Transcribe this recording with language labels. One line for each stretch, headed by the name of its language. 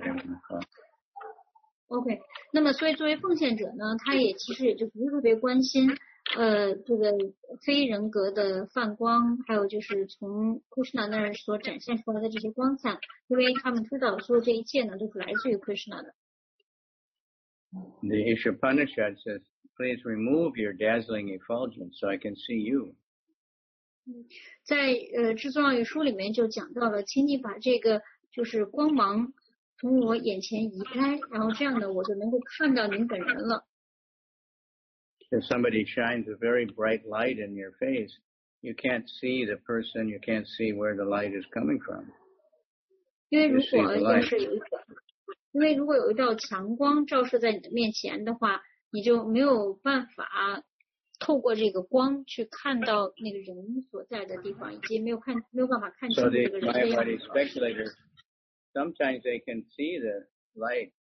English: they want to call it. Okay,
Chinese: 那么所以作为奉献者呢，他也其实也就不是特别关心这个非人格的梵光，还有就是从 Krishna 那儿所展现出来的这些光彩，因为他们知道所有这一切呢都是来自于 Krishna 的。
English: The Ishapanishad says, please remove your dazzling effulgence so I can see you.
Chinese: 在至尊妙语书里面就讲到了，请你把这个就是光芒从我眼前移开，然后这样呢我就能够看到您本人了。
English: If somebody shines a very bright light in your face, you can't see the person, you can't see where the light is coming from. You see the light. So the, my body speculators, sometimes they can see the light.